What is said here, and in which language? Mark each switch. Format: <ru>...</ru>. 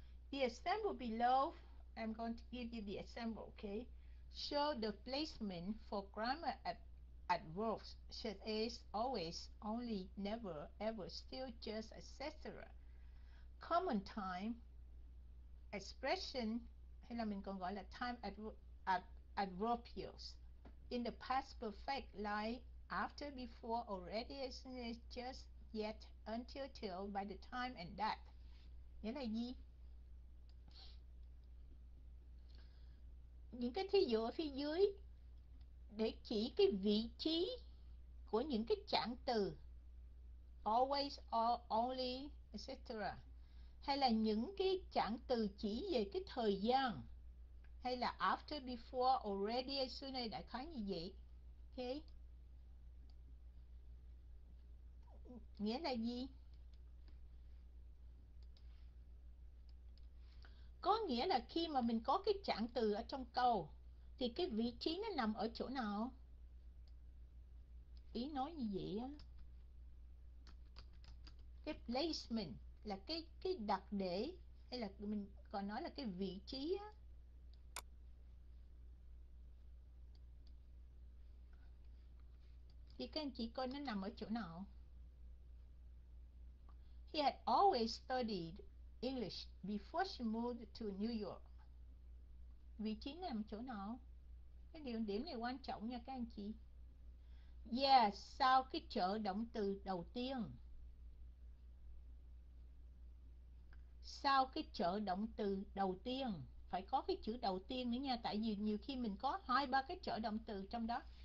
<en>The example below, I'm going to give you the example, okay? Show the placement for grammar adverbs such as always, only, never, ever, still, just, etc. Common time expression,</en> <vi>hay là mình còn gọi là time adverbials.</vi> <en>In the past perfect, like after, before, already, as soon as, just, yet, until, till, by the time, and that.</en> <vi>Nghĩa là gì? Những cái thí dụ ở phía dưới để chỉ cái vị trí của những cái trạng từ always, or, only, etc. Hay là những cái trạng từ chỉ về cái thời gian, hay là after, before, already, as soon as, đại khái như vậy. Okay. Nghĩa là gì? Có nghĩa là khi mà mình có cái trạng từ ở trong câu thì cái vị trí nó nằm ở chỗ nào? Ý nói như vậy á. Cái placement là cái đặt để, hay là mình còn nói là cái vị trí á. Thì các anh chị coi nó nằm ở chỗ nào.</vi> <en>He had always studied English before she moved to New York.</en> <vi>Vị trí nằm chỗ nào? Cái điều điểm này quan trọng nha các anh chị. Yeah, sau cái trợ động từ đầu tiên. Sau cái trợ động từ đầu tiên phải có cái chữ đầu tiên nữa nha, tại vì nhiều khi mình có hai ba cái trợ động từ trong đó.</vi>